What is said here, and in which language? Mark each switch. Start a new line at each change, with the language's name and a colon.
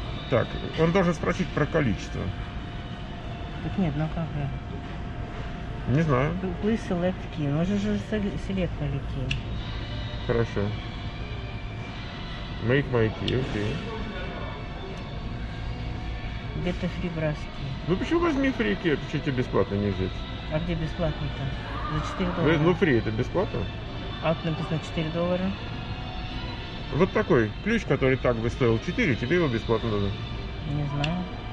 Russian: Так, он должен спросить про количество. Так нет, ну как же? Не знаю.
English: Please select key.
Russian: Ну, уже же селектнули key. Хорошо.
English: Make my key, окей.
Russian: Где-то
English: free brass key.
Russian: Ну, почему возьми
English: free key?
Russian: Почему тебе бесплатно не взять? А где бесплатно-то? За $4? Ну, free это бесплатно. А тут написано $4. Вот такой ключ, который так бы стоил 4, тебе его бесплатно дадут. Не знаю.